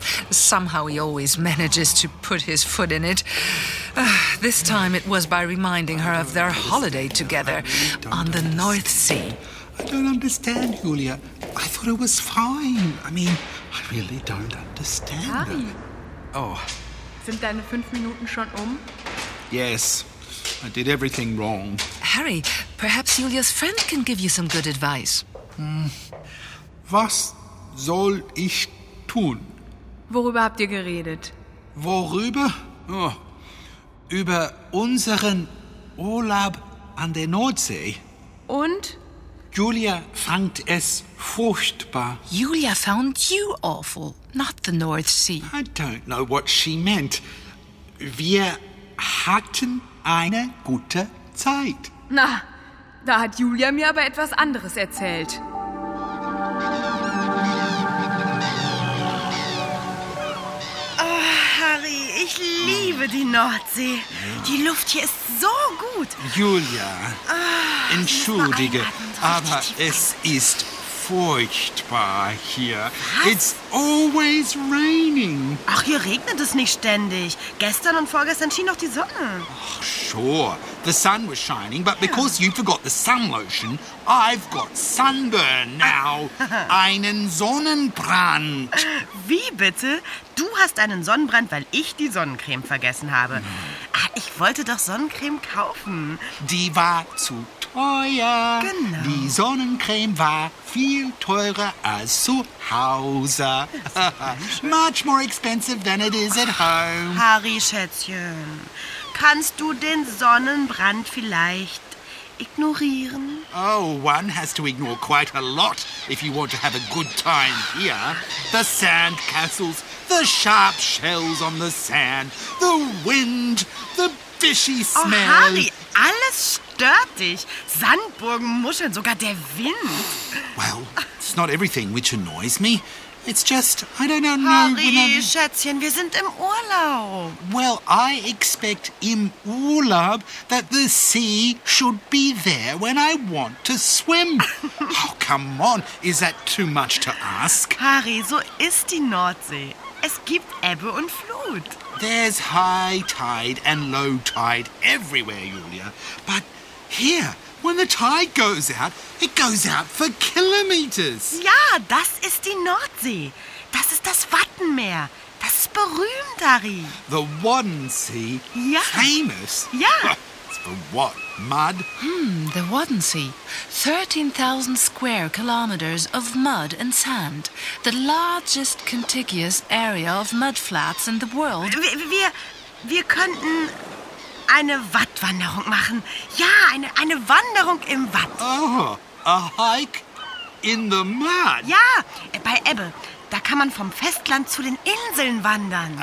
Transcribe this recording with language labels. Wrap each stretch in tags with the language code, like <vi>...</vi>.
<en>Somehow he always manages to put his foot in it. This time it was by reminding her of their holiday together on the North Sea. I don't understand, Julia. I thought it was fine. I mean, I really don't understand. Harry. Oh.</en> <de>Sind deine 5 Minuten schon um?</de> <en>Yes. I did everything wrong. Harry, perhaps Julia's friend can give you some good advice.</en> <de>Was soll ich tun? Worüber habt ihr geredet? Worüber? Oh, über unseren Urlaub an der Nordsee. Und? Julia fand es furchtbar.</de> <en>Julia found you awful, not the North Sea. I don't know what she meant.</en> <de>Wir hatten eine gute Zeit. Na, da hat Julia mir aber etwas anderes erzählt. Ich liebe die Nordsee. Ja. Die Luft hier ist so gut. Julia, entschuldige, aber es ist furchtbar hier. Was?</de> <en>It's always raining.</en> <de>Ach, hier regnet es nicht ständig. Gestern und vorgestern schien noch die Sonne.</de> <en>Ach, sure. The sun was shining, but because you forgot the sun lotion, I've got sunburn now.</en> <de>Einen Sonnenbrand. Wie bitte? Du hast einen Sonnenbrand, weil ich die Sonnencreme vergessen habe. Ich wollte doch Sonnencreme kaufen. Die war zu teuer. Genau. Die Sonnencreme war viel teurer als zu Hause.</de> <en>Much more expensive than it is at home.</en> <de>Harry, Schätzchen, kannst du den Sonnenbrand vielleicht ignorieren?</de> <en>Oh, one has to ignore quite a lot if you want to have a good time here. The sand castles, the sharp shells on the sand, the wind, the fishy smell.</en> <de>Oh, Harry, alles stört dich. Sandburgen, Muscheln, sogar der Wind.</de> <en>Well, it's not everything which annoys me. It's just, I don't know.</en> <de>Harry, Schätzchen, wir sind im Urlaub.</de> <en>Well, I expect</en> <de>im Urlaub</de> <en>that the sea should be there when I want to swim. Oh, come on, is that too much to ask?</en> <de>Harry, so ist die Nordsee. Es gibt Ebbe und Flut.</de> <en>There's high tide and low tide everywhere, Julia. But here, when the tide goes out, it goes out for kilometers.</en> <de>Ja, das ist die Nordsee. Das ist das Wattenmeer. Das ist berühmt, Harry.</de> <en>The Wadden Sea?</en> <de>Ja.</de> <en>Famous?</en> <de>Ja.</de> <en>It's for what? Mud? The Wadden Sea. 13,000 square kilometers of mud and sand. The largest contiguous area of mud flats in the world.</en> <de>Wir könnten eine Wattwanderung machen. Ja, eine Wanderung im Watt.</de> <en>Oh, a hike in the mud.</en> <de>Ja, bei Ebbe. Da kann man vom Festland zu den Inseln wandern.</de>